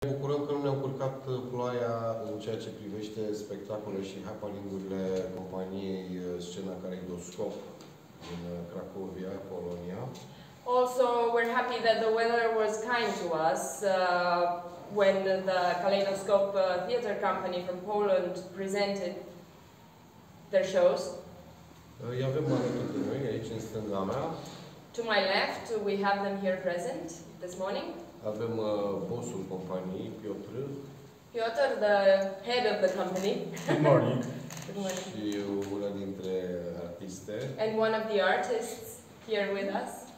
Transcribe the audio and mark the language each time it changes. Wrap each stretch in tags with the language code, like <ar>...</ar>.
<ro>Ne bucurăm că nu ne-au curcat ploaia în ceea ce privește spectacole și happening-urile companiei Scena Caleidoscop din Cracovia, Polonia.</ro> <en>Also, we're happy that the weather was kind to us when the Caleidoscop theater company from Poland presented their shows.</en> <ro>I avem alături de noi aici în stânga mea.</ro> <en>To my left, we have them here present this morning.</en> <ro>Avem bossul companiei, Piotr.</ro> <en>Piotr, the head of the company. Good morning.</en> <ro>Și una dintre artiste.</ro> <en>And one of the artists here with us.</en>